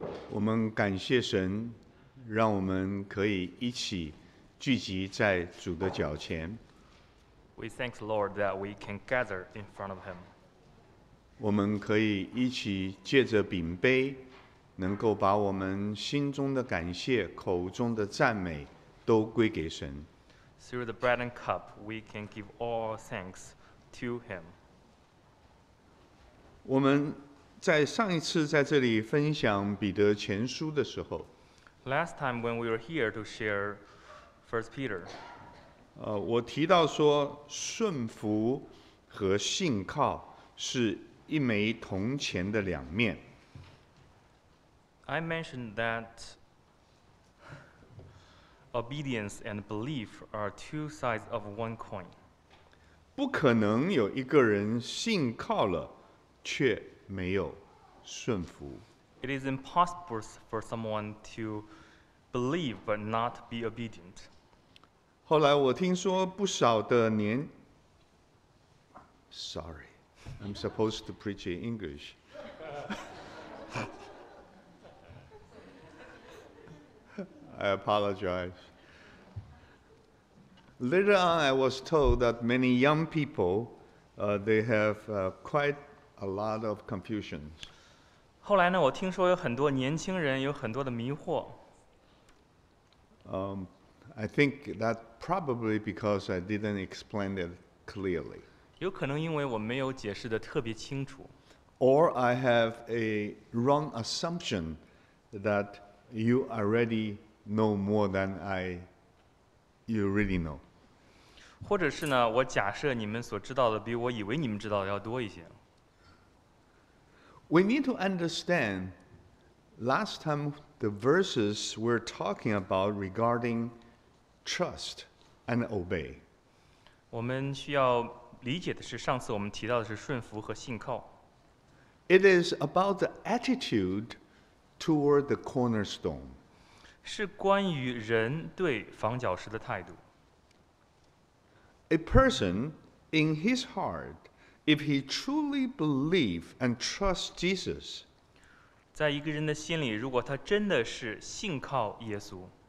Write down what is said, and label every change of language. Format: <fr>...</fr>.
<zh>我们感谢神，让我们可以一起聚集在主的脚前。</zh> <en>We thank the Lord that we can gather in front of Him.</en> <zh>我们可以一起借着饼杯，能够把我们心中的感谢、口中的赞美都归给神。</zh> <en>Through the bread and cup, we can give all thanks to Him.</en> <zh>我们在上一次在这里分享彼得前书的时候</zh> <en>，Last time when we were here to share First Peter，</en> <zh>我提到说顺服和信靠是一枚铜钱的两面。</zh> <en>I mentioned that obedience and belief are two sides of one coin.</en> <zh>不可能有一个人信靠了却没有顺服。</zh> <en>It is impossible for someone to believe but not be obedient.</en> <zh>后来我听说不少的年 ，</zh> <en>Sorry, I'm supposed to preach in English. 。 I apologize. Later on, I was told that many young people, they have quite a lot of confusion.</en> <zh>后来呢，我听说有很多年轻人有很多的迷惑。</zh> <en>I think that probably because I didn't explain it clearly.</en> <zh>有可能因为我没有解释的特别清楚。</zh> <en>Or I have a wrong assumption that you already know more than you really know.</en> <zh>或者是呢，我假设你们所知道的比我以为你们知道的要多一些。</zh> <en>We need to understand last time the verses we're talking about regarding trust and obey.</en> <zh>我们需要理解的是上次我们提到的是顺服和信靠。</zh> <en>It is about the attitude toward the cornerstone.</en> <zh>是关于人对房角石的态度。</zh> <en>A person in his heart If he truly believes and trusts Jesus,</en> <zh>在一个人的心里，如果他真的是信靠耶稣</zh>